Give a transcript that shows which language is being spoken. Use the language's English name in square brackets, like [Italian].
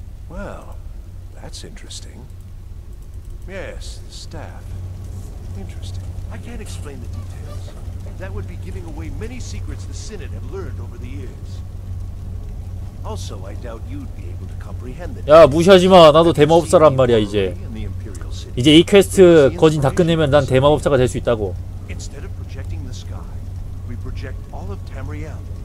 [English] Well, that's interesting. Yes, the staff. Interesting. I can't explain the details. That would be giving away many secrets the Synod have learned over the years. Also, I doubt you'd be able to comprehend it. [Korean] 야, 무시하지 마. 나도 대마법사란 말이야, 이제. 이제 이 퀘스트 거진 다 끝내면 난 대마법사가 될 수 있다고. [English] Instead of projecting the sky, we project all of Tamriel.